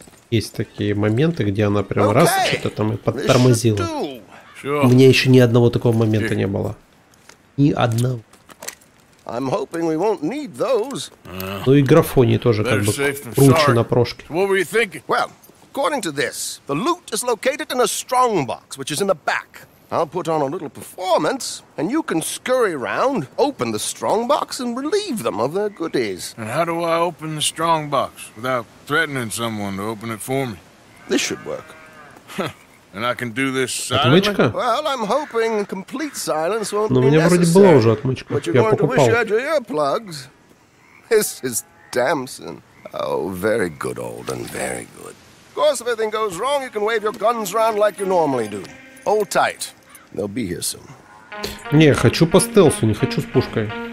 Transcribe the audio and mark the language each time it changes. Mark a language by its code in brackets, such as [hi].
[ru] Есть такие моменты, где она прям раз, что-то там и подтормозила. У меня еще ни одного такого момента не было. Ни одного. Но и графони тоже как бы круче на прошке. [en] According to this, the loot is located in a strong box, which is in the back. I'll put on a little performance, and you can scurry around, open the strong box, and relieve them of their goodies. And how do I open the strong box without threatening someone to open it for me? This should work. And I can do this silently? Well, I'm hoping complete silence won't be necessary. [ru] Вроде была уже отмычка. [en] But you're going to wish out your earplugs. This is Damson. Oh, very good, Alden, very good. Of course, if everything goes wrong, you can wave your guns around like you normally do. Hold tight. They'll be here soon. [ru] Не, хочу по стелсу, не хочу с пушкой.